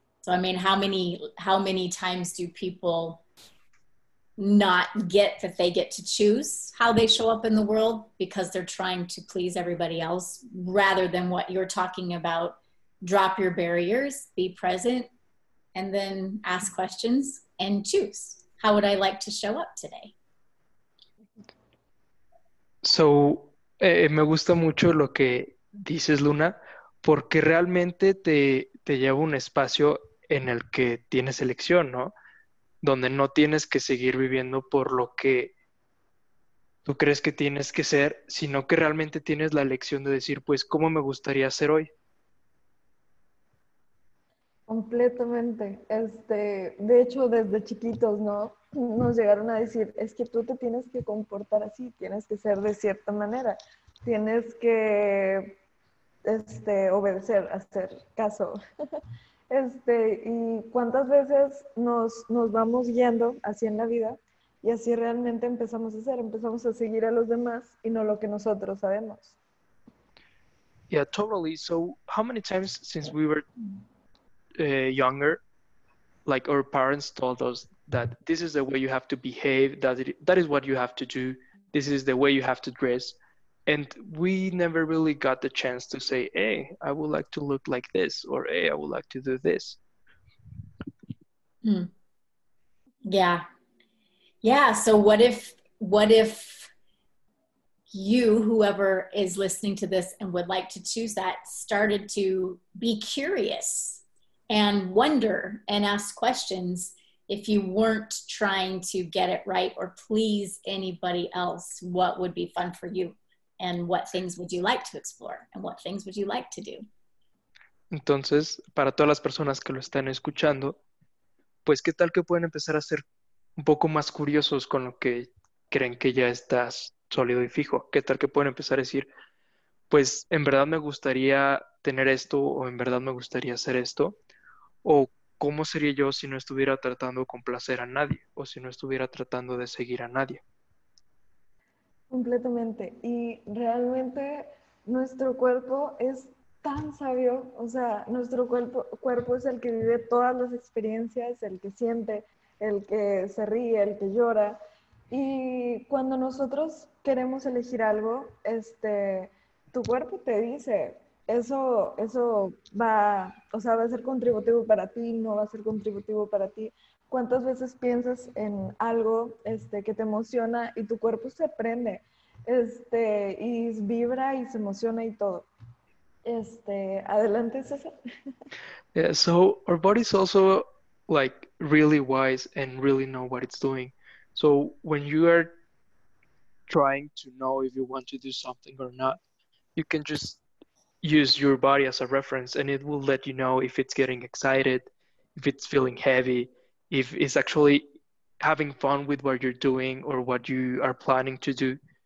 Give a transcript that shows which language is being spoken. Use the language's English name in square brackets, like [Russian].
[English] So, I mean, how many times do people not get that they get to choose how they show up in the world because they're trying to please everybody else rather than what you're talking about? Drop your barriers, be present, and then ask questions and choose. How would I like to show up today? [Spanish] So, me gusta mucho lo que dices, Luna, porque realmente te lleva un espacio en el que tienes elección, ¿no? Donde no tienes que seguir viviendo por lo que tú crees que tienes que ser, sino que realmente tienes la elección de decir, pues, ¿cómo me gustaría ser hoy? Completamente. De hecho, desde chiquitos, ¿no? Nos llegaron a decir, es que tú te tienes que comportar así, tienes que ser de cierta manera, tienes que obedecer, hacer caso. Y cuántas veces nos vamos guiando así en la vida y así realmente empezamos a hacer, empezamos a seguir a los demás y no lo que nosotros sabemos. [English] Yeah, totally. So, how many times since we were younger, like our parents told us that this is the way you have to behave, that is what you have to do, this is the way you have to dress, and we never really got the chance to say, hey, I would like to look like this, or hey, I would like to do this. Yeah. So what if you, whoever is listening to this and would like to choose that, started to be curious and wonder and ask questions if you weren't trying to get it right or please anybody else? What would be fun for you? And what things would you like to explore? And what things would you like to do? [Spanish] Entonces, para todas las personas que lo están escuchando, pues, ¿qué tal que pueden empezar a ser un poco más curiosos con lo que creen que ya estás sólido y fijo? ¿Qué tal que pueden empezar a decir, pues en verdad me gustaría tener esto o en verdad me gustaría hacer esto? ¿O cómo sería yo si no estuviera tratando de complacer a nadie o si no estuviera tratando de seguir a nadie? Completamente. Y realmente nuestro cuerpo es tan sabio, o sea, nuestro cuerpo es el que vive todas las experiencias, el que siente, el que se ríe, el que llora. Y cuando nosotros queremos elegir algo, tu cuerpo te dice, eso va, o sea, va a ser contributivo para ti, no va a ser contributivo para ti. ¿Cuántas veces piensas en algo que te emociona y tu cuerpo se prende, y vibra y se emociona y todo? Adelante, César. [English] Yeah, so our body's also like really wise and really know what it's doing. So when you are trying to know if you want to do something or not, you can just use your body as a reference and it will let you know if it's getting excited, if it's feeling heavy, if it's actually having fun with what you're doing or what you are planning to do.